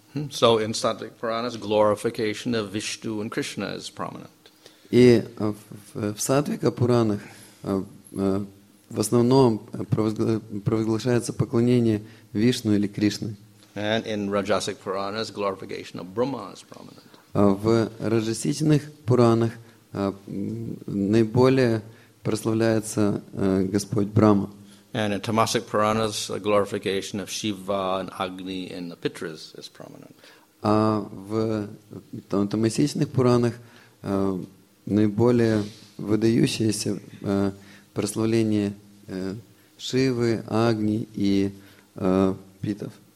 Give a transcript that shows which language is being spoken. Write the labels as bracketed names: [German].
[English] So in Sattvic Puranas, glorification of Vishnu and Krishna is prominent. [Russian] И в Сатвика Пуранах в основном провозглашается поклонение Вишну или Кришны. [English] And in Rajasic Puranas, glorification of Brahma is prominent. [Russian] В Раджасичных Пуранах наиболее прославляется Господь Брама. [English] And in Tamasic Puranas, the glorification of Shiva and Agni and the Pitras is prominent. [Russian] А в Тамасичных Пуранах наиболее выдающееся прославление Шивы, Агни и Питов.